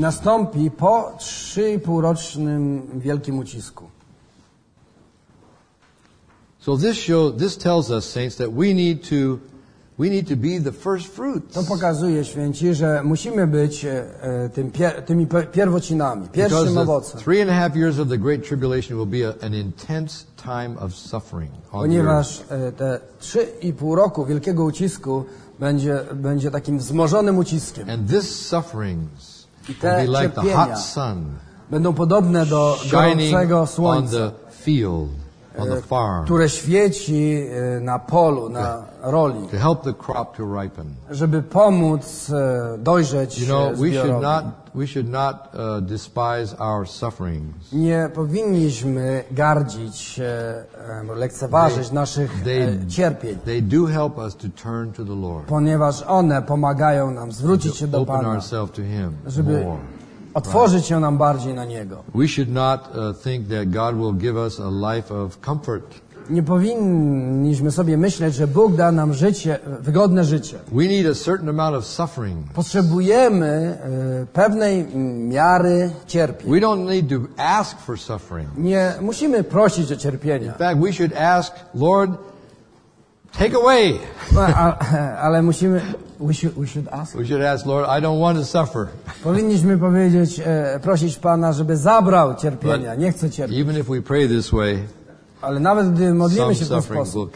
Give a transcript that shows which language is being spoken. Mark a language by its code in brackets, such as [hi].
[pl] Nastąpi po 3,5-rocznym wielkim ucisku. [en] So this tells us, saints, that we need to be the first fruits. [pl] To pokazuje, święci, że musimy być tymi pierwocinami, pierwszym owocem. [en] 3.5 years of the great tribulation will be an intense time of suffering. [pl] Ponieważ te 3,5 roku wielkiego ucisku będzie takim wzmożonym uciskiem. [en] And this sufferings will be like the hot sun. [pl] Będą podobne do gorącego słońca. [en] On the field. On the farm, [pl] które świeci na polu, na roli, [en] to help the crop to ripen, [pl] żeby pomóc dojrzeć zbiorowi. [en] You know, we should not despise our sufferings. [pl] Nie powinniśmy gardzić, lekceważyć naszych cierpień. [en] They do help us to turn to the Lord. [pl] Ponieważ one pomagają nam zwrócić się do Pana. [en] Open ourselves to Him more. [pl] Otworzyć się nam bardziej na Niego. [en] We should not think that God will give us a life of comfort. [pl] Nie powinniśmy sobie myśleć, że Bóg da nam życie, wygodne życie. [en] We need a certain amount of suffering. [pl] Potrzebujemy pewnej miary cierpień. [en] We don't need to ask for suffering. [pl] Nie musimy prosić o cierpienia. [en] In fact, we should ask, Lord, take away. [pl] Ale musimy. [en] We should ask. We should ask, Lord, I don't want to suffer. [pl] Powinniśmy powiedzieć, prosić Pana, żeby zabrał cierpienia. Nie chcę cierpieć. [en] Even if we pray this way, [pl] ale nawet gdy modlimy się w ten sposób,